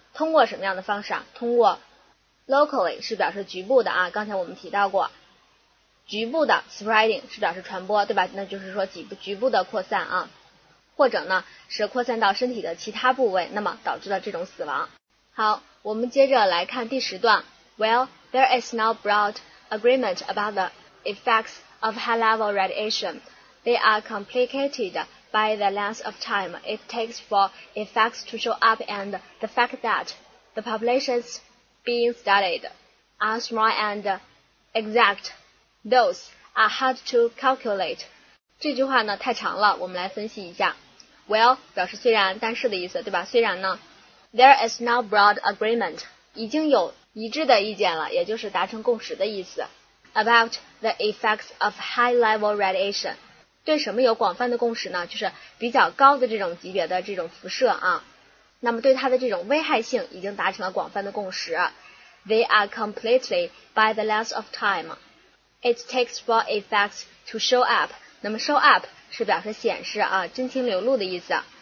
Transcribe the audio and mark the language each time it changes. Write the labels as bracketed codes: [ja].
[zh] 通过什么样的方式啊？通过 locally 是表示局部的啊，刚才我们提到过，局部的 spreading 是表示传播，对吧？那就是说局部的扩散啊。或者呢是扩散到身体的其他部位，那么导致了这种死亡。好，我们接着来看第十段。 [en] Well, there is no broad agreement about the effects of high-level radiation. They are complicated by the length of time it takes for effects to show up and the fact that the populations being studied are small and exact. Those are hard to calculate. [zh] 这句话呢太长了，我们来分析一下。 Well 表示虽然但是的意思，对吧？虽然呢 [en] There is no broad agreement， [zh] 已经有一致的意见了，也就是达成共识的意思。 [en] About the effects of high level radiation， [zh] 对什么有广泛的共识呢？就是比较高的这种级别的这种辐射啊，那么对它的这种危害性已经达成了广泛的共识。 [en] They are completely by the length of time it takes for effects to show up， [zh] 那么 [en] show up [zh] 是表示显示啊，真情流露的意思。